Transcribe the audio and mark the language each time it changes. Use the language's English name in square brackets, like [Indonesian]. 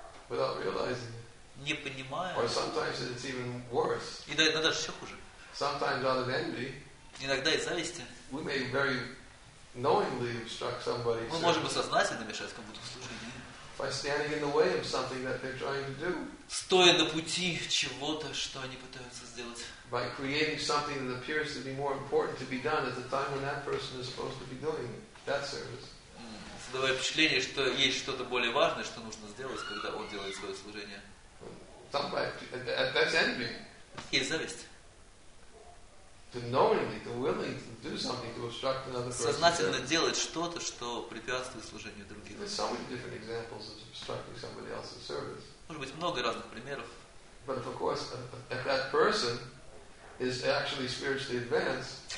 [English] Without realizing it. [Russian] Не понимая. [English] Or sometimes it's even worse. [Russian] И иногда все хуже. [English] Sometimes out of envy. [Russian] Иногда из зависти. [English] We may very knowingly obstruct somebody. [Russian] Мы можем сознательно мешать кому-то в служении. [English] By standing in the way of something that they're trying to do. [Russian] Стоя на пути чего-то, что они пытаются сделать. [English] By creating something that appears to be more important to be done at the time when that person is supposed to be doing that service. [Russian] Создавая впечатление, что есть что-то более важное, что нужно сделать, когда он делает свое служение. [English] That's envy. [Russian] Есть зависть. [English] To knowingly, to willing to do something to obstruct another person. [Russian] Сознательно делать что-то, что препятствует служению других. [English] There's so many different examples of obstructing somebody else's service. [Russian] Может быть, много разных примеров. [English] But of course, if that person is actually spiritually advanced.